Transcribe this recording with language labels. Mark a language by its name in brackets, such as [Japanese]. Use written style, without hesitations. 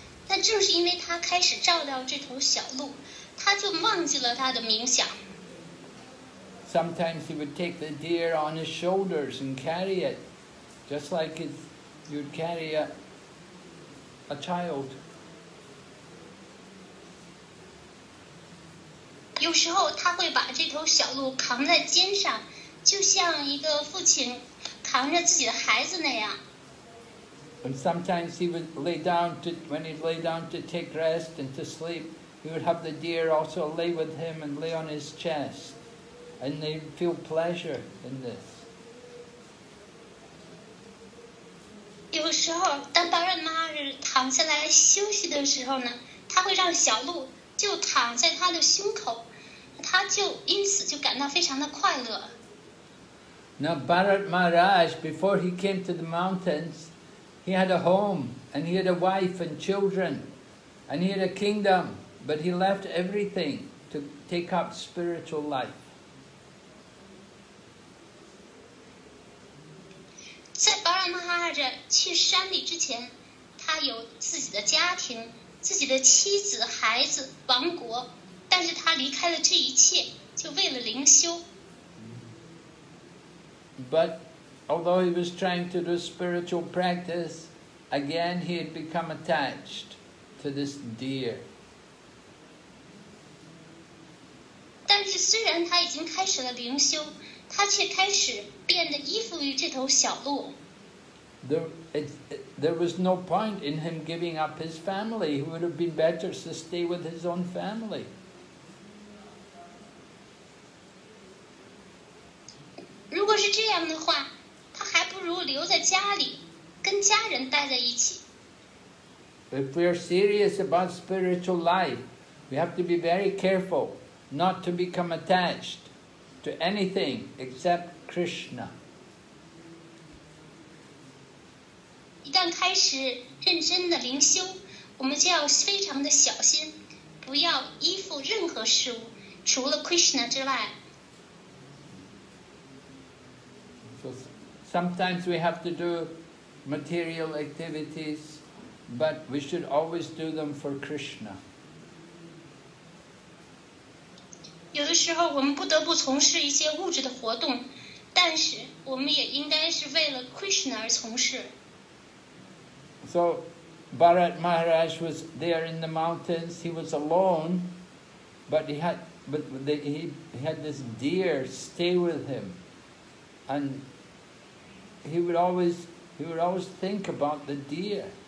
[Chinese] 但正是因为他开始照料这头小鹿，他就忘记了他的冥想。 [English] Sometimes he would take the deer on his shoulders and carry it, just like you'd carry a child. [Chinese] 有时候他会把这头小鹿扛在肩上，就像一个父亲扛着自己的孩子那样。 [English] And sometimes he would lay down to, when he'd lay down to take rest and to sleep, he would have the deer also lay with him and lay on his chest. And they'd feel pleasure in this. [Chinese] 有时候当巴润玛哈日躺下来休息的时候呢，他会让小鹿就躺在他的胸口，他就因此就感到非常的快乐。 [English] Now Bharat Maharaj, before he came to the mountains, he had a home, and he had a wife and children, and he had a kingdom, but he left everything to take up spiritual life. [Chinese] 在 Bharat Maharaj 去山里之前，他有自己的家庭，自己的妻子、孩子、王国，但是他离开了这一切，就为了灵修。 [English] But although he was trying to do spiritual practice, again he had become attached to this deer. [Chinese] 但是虽然他已经开始了灵修，他却开始变得依附于这头小鹿。 [English] There was no point in him giving up his family. He would have been better to stay with his own family. [Chinese] 如果是这样的话，他还不如留在家里，跟家人待在一起。 [English] If we are serious about spiritual life, we have to be very careful not to become attached to anything except Krishna. [Chinese] 一旦开始认真的灵修，我们就要非常的小心，不要依附任何事物，除了 Krishna 之外。 [English] So sometimes we have to do material activities, but we should always do them for Krishna. [Chinese] 有的时候我们不得不从事一些物质的活动，但是我们也应该是为了 Krishna 而从事。 [English] So Bharat Maharaj was there in the mountains. He was alone, but he had this deer stay with him, and he would always think about the deer.